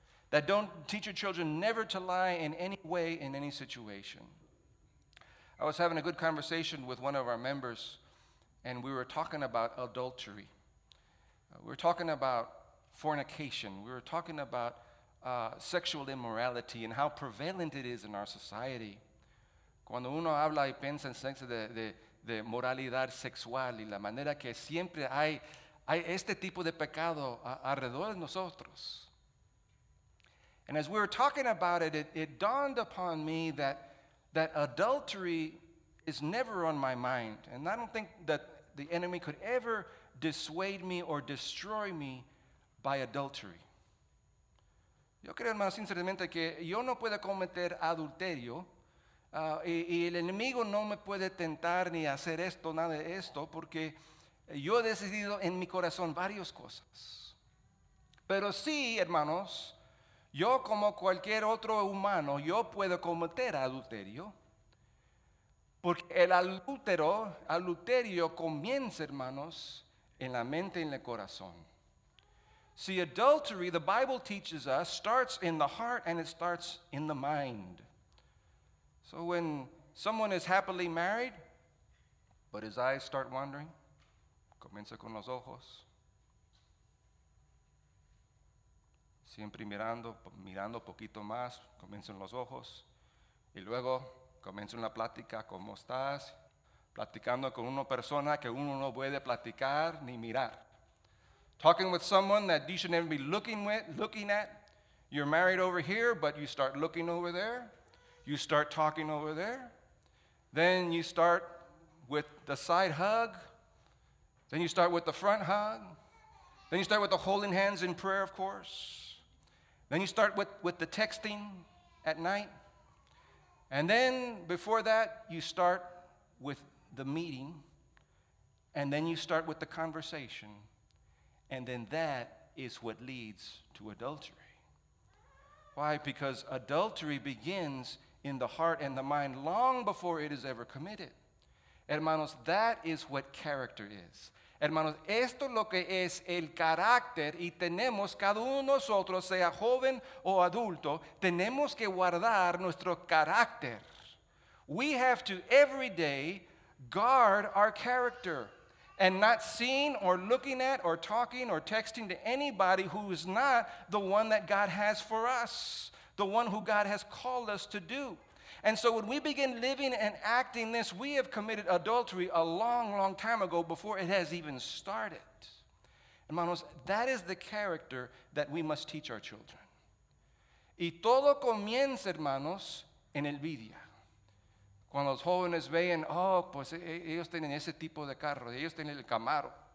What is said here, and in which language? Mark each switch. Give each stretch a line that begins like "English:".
English: That don't teach your children never to lie in any way in any situation. I was having a good conversation with one of our members, and we were talking about adultery. We were talking about fornication. We were talking about sexual immorality and how prevalent it is in our society.
Spanish: Cuando uno habla y piensa en sexo de moralidad sexual y la manera que siempre hay este tipo de pecado alrededor de nosotros.
English: And as we were talking about it, it dawned upon me that adultery is never on my mind. And I don't think that the enemy could ever dissuade me or destroy me by adultery.
Spanish: Yo creo, hermano, sinceramente que yo no puedo cometer adulterio. Y el enemigo no me puede tentar ni hacer esto, nada de esto, porque yo he decidido en mi corazón varias cosas. Pero sí, hermanos, yo como cualquier otro humano, yo puedo cometer adulterio. Porque el adulterio comienza, hermanos, en la mente y en el corazón.
English: See, adultery, the Bible teaches us, starts in the heart and it starts in the mind. So when someone is happily married, but his eyes start wandering,
Spanish: comienza con los ojos, siempre mirando poquito más, comienza en los ojos, y luego comienza una plática, ¿cómo estás? Platicando con una persona que uno no puede platicar ni mirar.
English: Talking with someone that you should never be looking at, you're married over here, but you start looking over there. You start talking over there, then you start with the side hug, then you start with the front hug, then you start with the holding hands in prayer, of course, then you start with the texting at night, and then before that, you start with the meeting, and then you start with the conversation, and then that is what leads to adultery. Why? Because adultery begins in the heart and the mind long before it is ever committed. Hermanos, that is what character is.
Spanish: Hermanos, esto es lo que es el carácter y tenemos cada uno de nosotros, sea joven o adulto, tenemos que guardar nuestro carácter.
English: We have to every day guard our character and not seeing or looking at or talking or texting to anybody who is not the one that God has for us, the one who God has called us to do. And so when we begin living and acting this, we have committed adultery a long, long time ago before it has even started. Hermanos, that is the character that we must teach our children.
Spanish: Y todo comienza, hermanos, en envidia. Cuando los jóvenes ven, oh, pues ellos tienen ese tipo de carro, ellos tienen el Camaro.